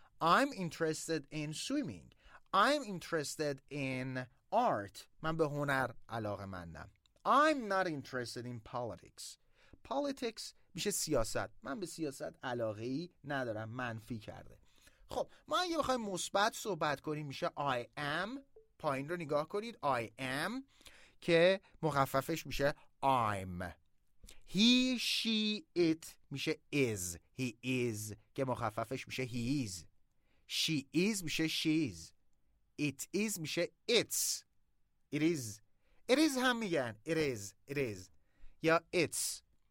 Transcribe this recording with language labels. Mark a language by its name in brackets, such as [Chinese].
[English] I'm interested in swimming. I'm interested in art. [Persian] من به هنر علاقه مندم. [English] I'm not interested in politics. [Persian] Politics میشه سیاست. من به سیاست علاقه ای ندارم، منفی کرده. خب ما اگه بخوایم مثبت صحبت کنیم میشه I am. پایین رو نگاه کنید، I am که مخففش میشه I'm. [English] He, she, it میشه is. He is که مخففش میشه he is. She is میشه she is. It is میشه it's. It is. It is هم میگن it is. It is یا it's.